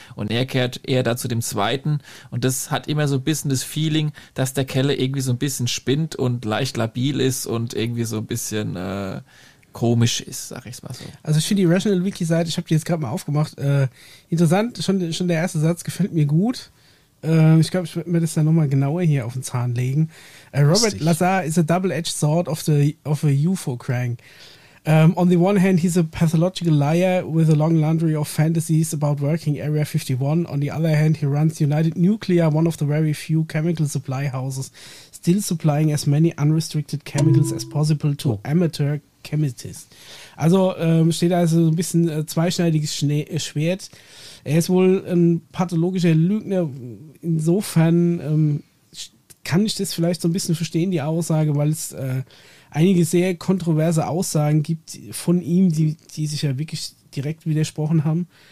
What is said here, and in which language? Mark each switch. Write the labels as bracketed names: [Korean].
[German] Und er kehrt eher da zu dem Zweiten. Und das hat immer so ein bisschen das Feeling, dass der Kelle irgendwie so ein bisschen spinnt und leicht labil ist und irgendwie so ein bisschen komisch ist, sag ich's mal so. Also ich finde die Rational Wiki Seite, ich habe die jetzt gerade mal aufgemacht, interessant, schon der erste Satz gefällt mir gut. Ich glaube, ich werde mir das dann nochmal genauer hier auf den Zahn legen. [English] Robert Lazar is a double-edged sword of a UFO crank. On the one hand, he's a pathological liar with a long laundry of fantasies about working Area 51. On the other hand, he runs United Nuclear, one of the very few chemical supply houses, still supplying as many unrestricted chemicals as possible to amateur chemists. [German] Also steht da also so ein bisschen zweischneidiges Schwert. Er ist wohl ein pathologischer Lügner. Insofern kann ich das vielleicht so ein bisschen verstehen, die Aussage, weil es einige sehr kontroverse Aussagen gibt von ihm, die sich ja wirklich direkt widersprochen haben.